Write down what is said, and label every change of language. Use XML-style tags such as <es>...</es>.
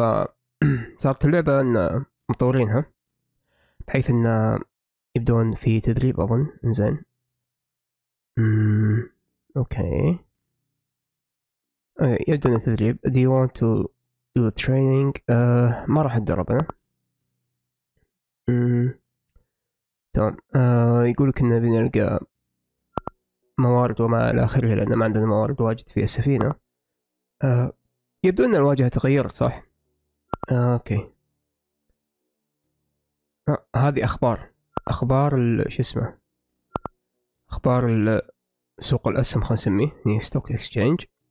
<ar>فصارت اللعبه ان مطورينها بحيث ان يبدون في تدريب أظن. إنزين أوكي يبدون التدريب.</ar> <en>Do you want to do the training؟</en> <ar>ما راح أتدرب أنا. تمام. يقولك إنه بنلقى موارد وما إلى آخره، لأن ما عندنا موارد واجد في السفينة. يبدو إن الواجهة تغيرت صح؟ أوكي. هذه أخبار، أخبار ال شو اسمه، أخبار السوق الأسهم خلنا نسميه نيو ستوك إكسشينج.</ar>